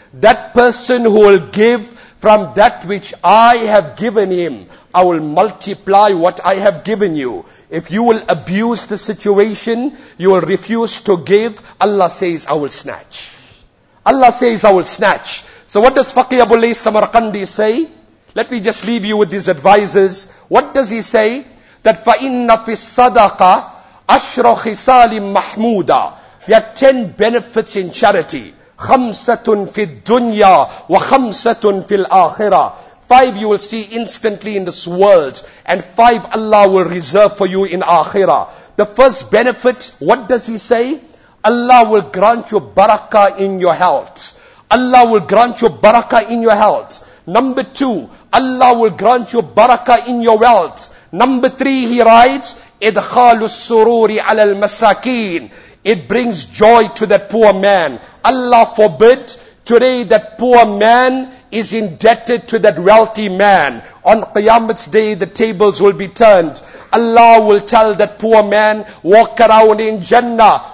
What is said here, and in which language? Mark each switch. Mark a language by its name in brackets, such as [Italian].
[English] That person who will give from that which I have given him, I will multiply what I have given you. If you will abuse the situation, you will refuse to give, Allah says, I will snatch. Allah says, I will snatch. So what does Faqih Abu Layth Samarqandi say? Let me just leave you with these advisors. What does he say? [Arabic] That فَإِنَّ فِي الصَّدَقَ أَشْرَ خِسَالٍ مَحْمُودًا. [English] There are 10 benefits in charity. [Arabic] خَمْسَةٌ فِي الدُّنْيَا وَخَمْسَةٌ فِي الْآخِرَةِ. [English] 5 you will see instantly in this world, and 5 Allah will reserve for you in Akhirah. The first benefit, what does he say? Allah will grant you barakah in your health. Allah will grant you barakah in your health. Number 2, Allah will grant you barakah in your wealth. Number 3, he writes, [Arabic] إِدْخَالُ السُّرُورِ عَلَى الْمَسَاكِينَ. [English] It brings joy to that poor man. Allah forbid, today that poor man is indebted to that wealthy man. On Qiyamah's day, the tables will be turned. Allah will tell that poor man, walk around in Jannah.